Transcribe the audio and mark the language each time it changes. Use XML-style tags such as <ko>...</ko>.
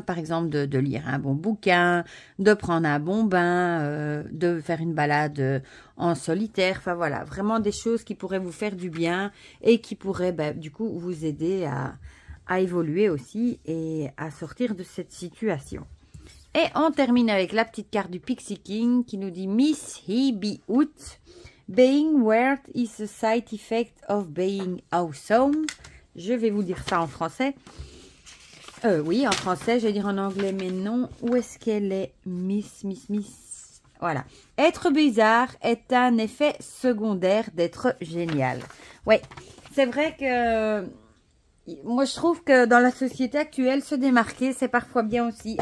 <fr>Par exemple de lire un bon bouquin, de prendre un bon bain, de faire une balade en solitaire. Enfin voilà, vraiment des choses qui pourraient vous faire du bien et qui pourraient ben, du coup vous aider à évoluer aussi et à sortir de cette situation. Et on termine avec la petite carte du Pixie King qui nous dit Miss He Be Out.</fr> <en>Being weird is a side effect of being awesome.</en> <fr>Je vais vous dire ça en français. Oui, en français, je vais dire en anglais, mais non. Où est-ce qu'elle est, Miss? Voilà. Être bizarre est un effet secondaire d'être génial. Oui, c'est vrai que moi, je trouve que dans la société actuelle, se démarquer, c'est parfois bien aussi.</fr>